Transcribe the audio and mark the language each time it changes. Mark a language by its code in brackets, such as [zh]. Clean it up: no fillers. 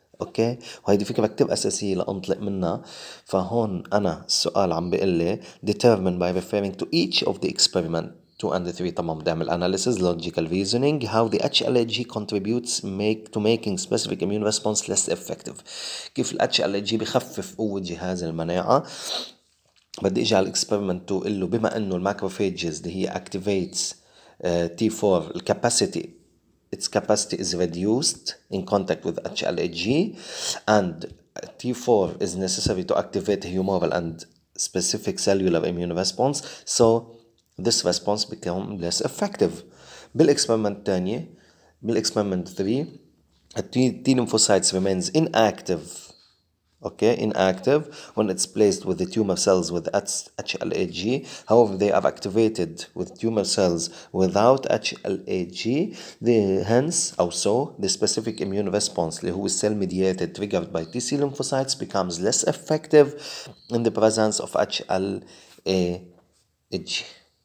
[ar] اوكي، وهيدي فكره كتير اساسيه لانطلق منها. فهون انا السؤال عم بيقول لي [en] determine by referring to each of the experiment 2 and 3 [ar] تمام، بدي اعمل [en] analysis logical reasoning how the HLAG contributes make to making specific immune response less effective. [ar] كيف ال HLAG بخفف قوة جهاز المناعة؟ بدي اجي على [en] experiment 2 [ar] قل له بما انه الماكروفاجز اللي هي [en] activates T4 الكاباسيتي its capacity is reduced in contact with HLAG and T4 is necessary to activate humoral and specific cellular immune response so this response become less effective. [ar] بالإكسبرمنت الثانية بالإكسبرمنت 3 التي لمفوسايتس remains inactive. [en] Okay, inactive when it's placed with the tumor cells with HLA-G. However, they are activated with tumor cells without HLA-G. The specific immune response, [ar] اللي هو [en] cell-mediated triggered by TC lymphocytes, becomes less effective in the presence of HLA-G.